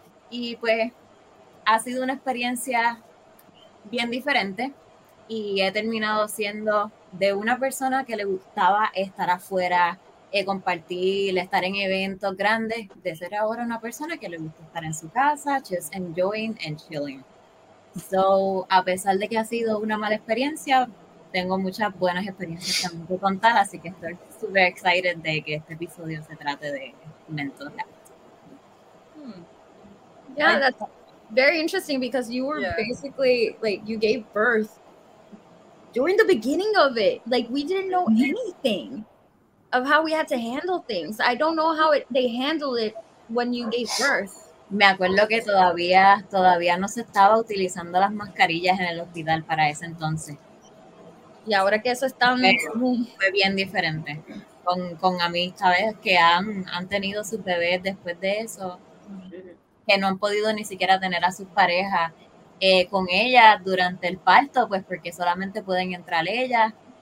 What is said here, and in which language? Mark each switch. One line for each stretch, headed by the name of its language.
Spanish: Y pues ha sido una experiencia bien diferente y he terminado siendo de una persona que le gustaba estar afuera, compartir, estar en eventos grandes, de ser ahora una persona que le gusta estar en su casa, just enjoying and chilling. So, a pesar de que ha sido una mala experiencia, tengo muchas buenas experiencias también que contar, así que estoy super excited de que este episodio se trate de mental health.
English: Yeah, that's very interesting because you were basically, like, you gave birth during the beginning of it. Like, we didn't know anything of how we had to handle things. I don't know how they handled it when you gave birth.
Spanish: Me acuerdo que todavía no se estaba utilizando las mascarillas en el hospital para ese entonces. Y ahora que eso está fue bien diferente. Con amistades que han tenido sus bebés después de eso, que no han podido ni siquiera tener a sus parejas con ellas durante el parto, pues porque solamente pueden entrar ellas.